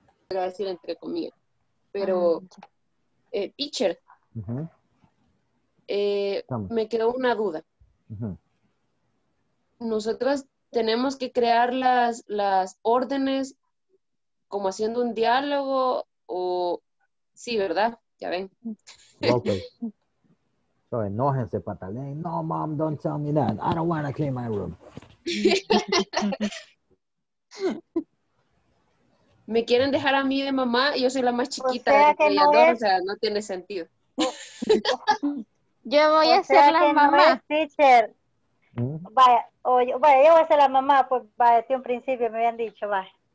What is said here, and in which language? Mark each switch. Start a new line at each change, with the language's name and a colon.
Spanish: Voy a decir entre comillas, pero teacher, uh-huh. Me quedó una duda. Uh-huh. Nosotras tenemos que crear las órdenes como haciendo un diálogo o sí, ¿verdad? Ya ven. Okay. So, enójense, patalén.
English: No, mom, don't tell me that. I don't want to clean my room.
Spanish: Me quieren dejar a mí de mamá y yo soy la más chiquita de ellas dos, o sea, no tiene sentido. Yo voy a ser la mamá. Teacher. Vaya, yo voy a ser la mamá, pues vaya, de un principio me habían dicho, vaya.